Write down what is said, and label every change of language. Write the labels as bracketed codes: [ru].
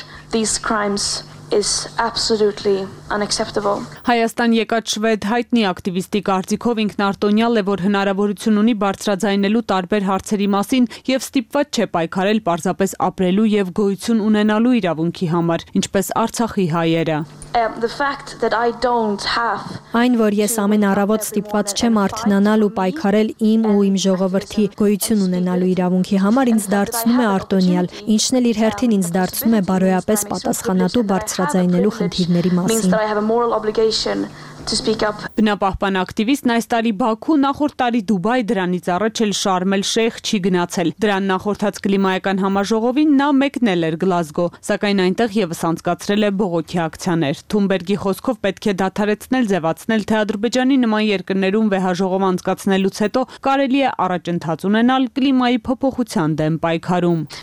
[en] these crimes is absolutely unacceptable. [hy] Հայաստան եկած շվեդ հայտնի ակտիվիստի կարծիքով ինքնարտոնյալ է, որ հնարավորություն ունի բարձրաձայնելու տարբեր հարցերի մասին եւ ստիպված չէ պայքարել պարզապես ապրելու եւ գոյություն ունենալու իրավունքի համար, ինչպես Արցախի հայերը։ [en] The fact that I don't have [hy] Այն, որ ես ամեն առավոտ ստիպված չեմ արթնանալ ու պայքարել իմ ու իմ ժողովրդի գոյություն ունենալու իրավունքի համար, ինձ դարձնում է արտոնյալ, ինչն էլ իր հերթին ինձ դարձնում է բարոյապես պատասխանատու բարձրաձայնելու խնդիրների մասին։ Բնապահպան ակտիվիստն այս տարի Բաքու, նախորդ տարի Դուբայ, դրանից առաջ էլ Շարմ էլ Շեյխ չի գնացել։ Դրան նախորդած կլիմայական համաժողովին նա մեկնել էր Գլազգո, սակայն այնտեղ ևս անցկացրել է բողոքի ակցիաներ։ Թունբերգի խոսքով պետք է դադարեցնել ձևացնել, թե Ադրբեջանի նման երկրներում վեհաժողով անցկացնելուց հետո կարելի է առաջընթաց ունենալ կլիմայի փոփոխության դեմ պայքարում։